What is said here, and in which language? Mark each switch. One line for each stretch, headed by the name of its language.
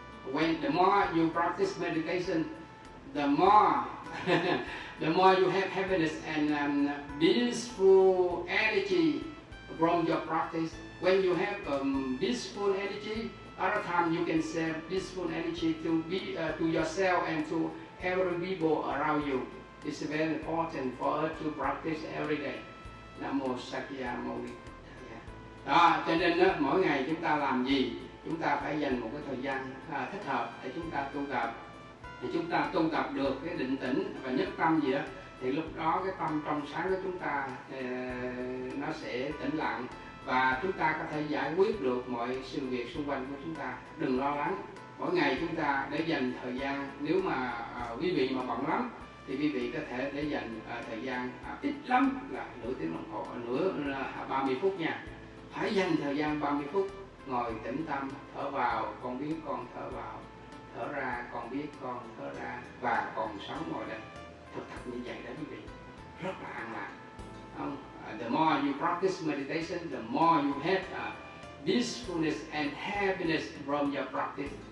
English: When the more you practice meditation, the more the more you have happiness and peaceful energy from your practice. When you have peaceful energy, other time you can share peaceful energy to yourself and to every people around you. It's very important for us to practice every day.
Pali: Namo Sakya Mauli.
Vietnamese: Đó, cho nên đó, mỗi ngày chúng ta làm gì, chúng ta phải dành một cái thời gian thích hợp để chúng ta tu tập. Thì chúng ta tu tập được cái định tĩnh và nhất tâm gì đó, thì lúc đó cái tâm trong sáng của chúng ta nó sẽ tĩnh lặng, và chúng ta có thể giải quyết được mọi sự việc xung quanh của chúng ta. Đừng lo lắng. Mỗi ngày chúng ta để dành thời gian, nếu mà quý vị mà bận lắm thì quý vị có thể để dành thời gian ít lắm là nửa tiếng đồng hồ, nửa 30 phút nha. Hãy dành thời gian 30 phút ngồi tĩnh tâm, thở vào con biết con thở vào, thở ra con biết con thở ra, và còn sống ngồi đây. Thực thật như vậy đó quý vị, rất là an lạc.
English: The more you practice meditation, the more you have peacefulness and happiness from your practice.